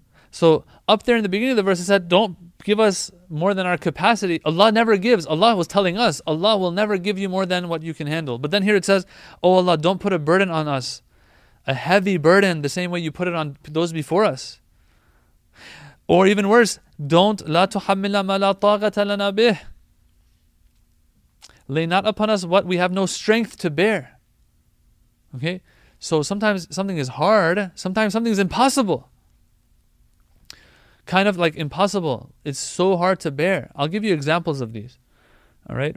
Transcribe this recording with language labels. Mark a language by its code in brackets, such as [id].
[en] So up there in the beginning of the verse, it said, don't give us more than our capacity. Allah never gives. Allah was telling us, Allah will never give you more than what you can handle. But then here it says, oh Allah, don't put a burden on us, a heavy burden, the same way you put it on those before us. Or even worse, don't, [ar] لَا تُحَمِّلْنَا مَا لَا طَاقَةَ لَنَا بِهِ. [en] Lay not upon us what we have no strength to bear. Okay? So sometimes something is hard, sometimes something is impossible. Kind of like impossible. It's so hard to bear. I'll give you examples of these. All right?